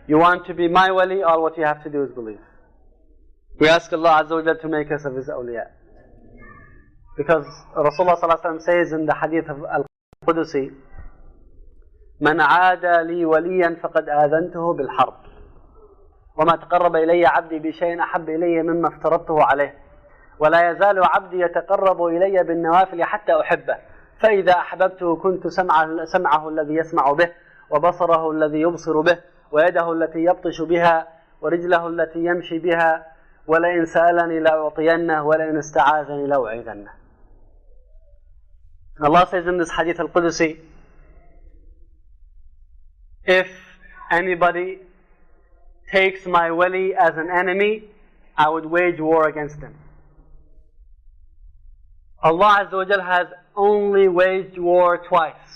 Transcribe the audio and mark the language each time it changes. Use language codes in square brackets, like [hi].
[en] You want to be my wali, all what you have to do is believe. We ask Allah Azza wa Jalla to make us of His awliya. Because Rasulullah Sallallahu Alaihi Wasallam says in the hadith of Al Qudusi, [ar] مَنْ عَادَ لِي وَلِيًّا فَقَدْ آذَنْتُهُ بِالْحَرْبِ. وما تقرب إلي عبدي بشيء أحب إلي مما افترضته عليه ولا يزال عبدي يتقرب إلي بالنوافل حتى أحبه فإذا أحببته كنت سمعه الذي يسمع به وبصره الذي يبصر به ويده التي يبطش بها ورجله التي يمشي بها ولئن سألني لأعطينه ولئن استعاذني لأعيذنه. [en] Allah says in this hadith al-Qudsi, if anybody takes my wali as an enemy, I would wage war against him. Allah Azza wa Jalla has only waged war twice.